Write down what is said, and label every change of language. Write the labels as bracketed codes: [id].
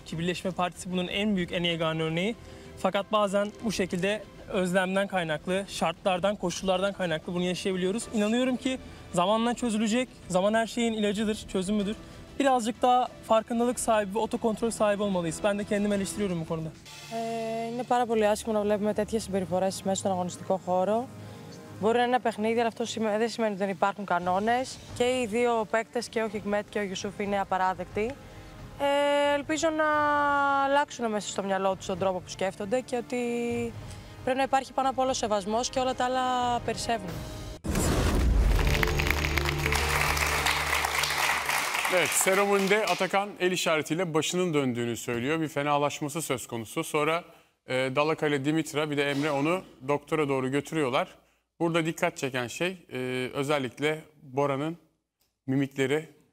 [tr] Ki Birleşme Partisi bunun en büyük, en yegane örneği. Fakat bazen bu şekilde özlemden kaynaklı, şartlardan, koşullardan kaynaklı bunu yaşayabiliyoruz. İnanıyorum ki zamanla çözülecek. Zaman her şeyin ilacıdır, çözümüdür. Birazcık daha farkındalık sahibi ve otokontrol sahibi olmalıyız. Ben de kendimi eleştiriyorum bu konuda. [el] Είναι πάρα πολύ άσχημο να βλέπουμε τέτοιες συμπεριφορές μέσα στον αγωνιστικό χώρο. Μπορεί να είναι ένα παιχνίδι, αλλά αυτό δεν σημαίνει ότι δεν υπάρχουν κανόνες. Και οι δύο παίκτες, και ο Χικμέτ και ο Γιουσούφ, είναι απαράδεκτοι. Ελπίζω να αλλάξουν μέσα στο μυαλό τους τον τρόπο που σκέφτονται και ότι πρέπει να υπάρχει πάνω απ' όλο σεβασμός και όλα τα άλλα περισσεύουν. [tr] Evet, seremoninde Atakan el işaretiyle başının döndüğünü söylüyor. Bir fenalaşması söz konusu. Sonra Dalakale, Dimitra bir de Emre onu doktora doğru götürüyorlar. Burada dikkat çeken şey özellikle Bora'nın mimikleri.